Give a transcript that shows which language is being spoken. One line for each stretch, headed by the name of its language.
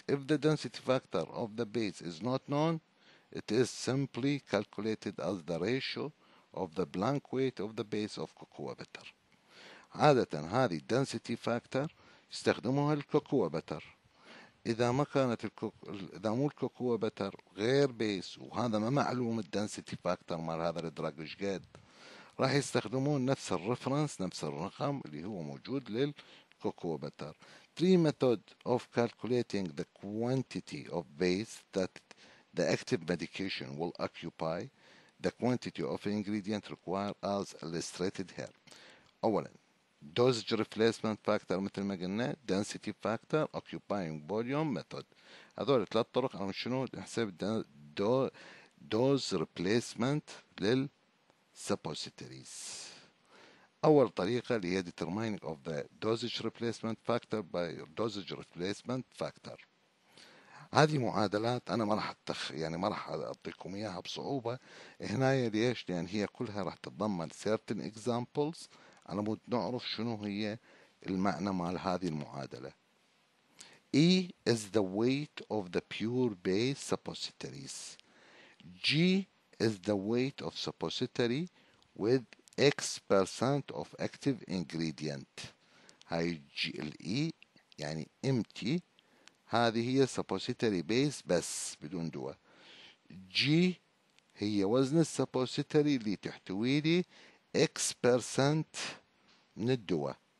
English: If the density factor of the base is not known, it is simply calculated as the ratio of the blank weight of the base of cocoa butter.
Arabic: عادة هذه density factor يستخدمها الكوكو بتر. إذا ما كانت إذا مو الكوكو بتر غير بيس وهذا ما معلوم الدنسيتي فاكتر مال هذا الدراج ايش قد، راح يستخدمون نفس الرفرنس نفس الرقم اللي هو موجود للكوكو بتر.
English: Three method of calculating the quantity of base that the active medication will occupy the quantity of ingredient required as illustrated here.
Arabic: أولا
English: dosage replacement factor
Arabic: مثل ما قلنا
English: density factor occupying volume method.
Arabic: هذول ثلاث طرق على شنو نحسب dose replacement لل suppositories. أول طريقة اللي هي
English: determining of the dosage replacement factor by dosage replacement factor.
Arabic: هذه معادلات أنا ما راح يعني ما راح أعطيكم إياها بصعوبة هنا، ليش؟ لأن هي كلها راح تتضمن
English: certain examples
Arabic: على مود نعرف شنو هي المعنى مال هذه المعادلة.
English: E is the weight of the pure base suppositories. G is the weight of suppository with X percent of active ingredient.
Arabic: هاي G ال E يعني empty، هذه هي suppository base بس بدون دواء. G هي وزن suppository اللي تحتوي لي X percent من الدواء.